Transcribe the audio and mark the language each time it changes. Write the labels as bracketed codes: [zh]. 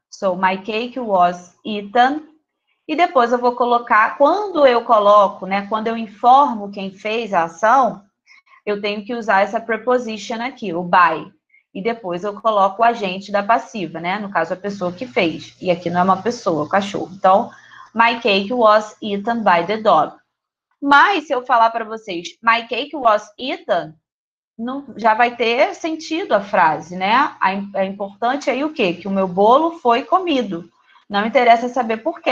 [en] So, my cake was eaten. [pt] E depois eu vou colocar, quando eu coloco, né? Quando eu informo quem fez a ação, eu tenho que usar essa preposition aqui, o by. E depois eu coloco o agente da passiva, né? No caso, a pessoa que fez. E aqui não é uma pessoa, é o cachorro. Então, [en] my cake was eaten by the dog. [pt] Mas, se eu falar para vocês, [en] my cake was eaten, [pt] não, já vai ter sentido a frase, né? É importante aí o quê? Que o meu bolo foi comido. Não interessa saber por quê.